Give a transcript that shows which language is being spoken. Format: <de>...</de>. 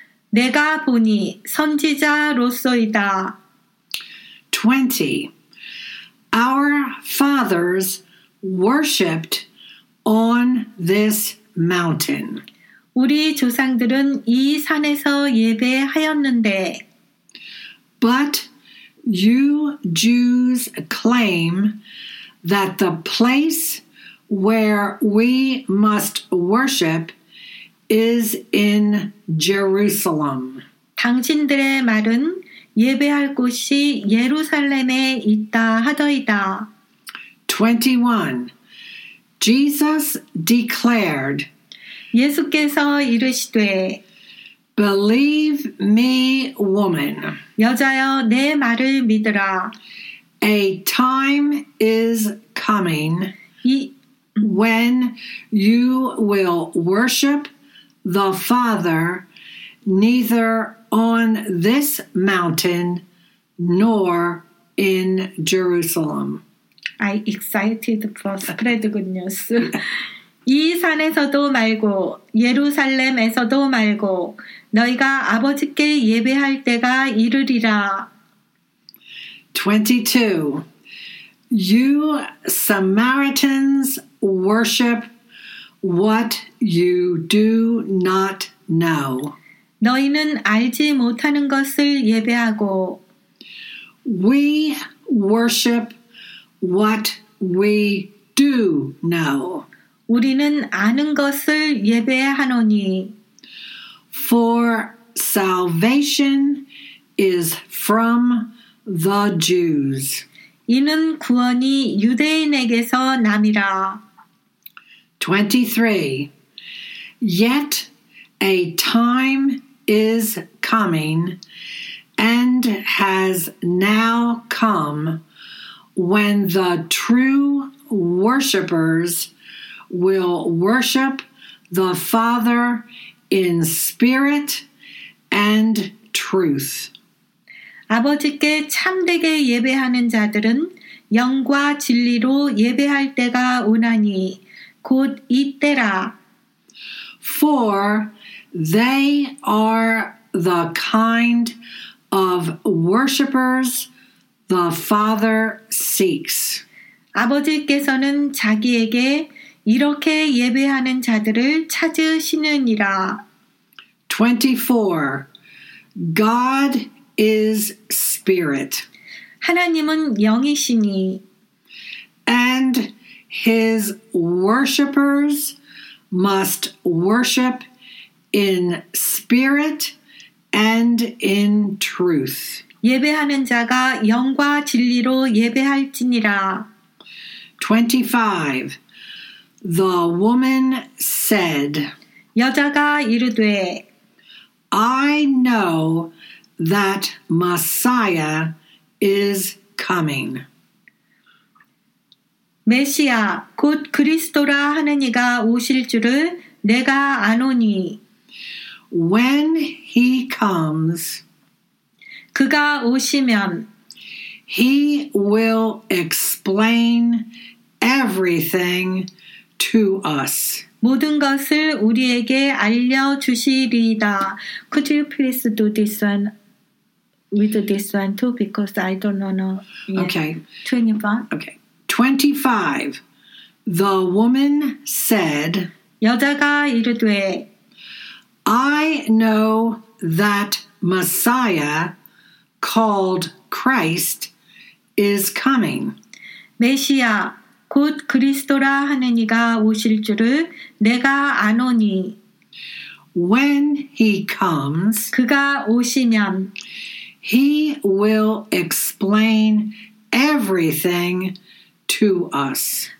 <ko>내가 보니 선지자로서이다.</ko> <en>20. Our fathers worshipped on this mountain.</en> <ko>우리 조상들은 이 산에서 예배하였는데,</ko> <en>But you Jews claim that the place where we must worship is in Jerusalem.</en> <ko>당신들의 말은 예배할 곳이 예루살렘에 있다 하더이다.</ko> <en>21. Jesus declared,</en> <ko>예수께서 이르시되,</ko> <en>Believe me, woman.</en> <ko>여자여, 내 말을 믿으라.</ko> <en>A time is coming when you will worship the Father neither on this mountain nor in Jerusalem. I'm excited for spread good news.</en> <ko>이 산에서도 말고 예루살렘에서도 말고 너희가 아버지께 예배할 때가 이르리라. 22.</ko> <en>You Samaritans worship what you do not know.</en> <ko>너희는 알지 못하는 것을 예배하고</ko> <en>We worship what we do know.</en> <ko>우리는 아는 것을 예배하노니</ko> <en>For salvation is from the Jews.</en> <ko>이는 구원이 유대인에게서 남이라. 23.</ko> <en>Yet a time is coming and has now come when the true worshipers will worship the Father in spirit and truth.</en> <ko>아버지께 참되게 예배하는 자들은 영과 진리로 예배할 때가 오나니 곧 이때라.</ko> <en>For they are the kind of worshipers the Father seeks.</en> <ko>아버지께서는 자기에게 이렇게 예배하는 자들을 찾으시느니라.</ko> <en>24. God is spirit.</en> <ko>하나님은 영이시니.</ko> <en>And his worshippers must worship in spirit and in truth.</en> <ko>예배하는 자가 영과 진리로 예배할지니라.</ko> <en>25. The woman said,</en> <ko>여자가 이르되,</ko> <en>I know that Messiah is coming.</en> <ko>메시아, 곧 그리스도라 하는 이가 오실 줄을 내가 아노니.</ko> <en>When he comes,</en> <ko>그가 오시면,</ko> <en>he will explain everything to us.</en> <ko>모든 것을 우리에게 알려주시리다.</ko> <en>Could you please do this one? With this one too, because I don't know. Yet. Okay. 25. Okay. 25. The woman said,</en> <ko>여자가 이르되,</ko> <en>I know that Messiah called Christ is coming.</en> <ko>메시아, 곧 그리스도라 하는 이가 오실 줄을 내가 아노니.</ko> <en>When he comes,</en> <ko>그가 오시면,</ko> <en>he will explain everything to us.</en>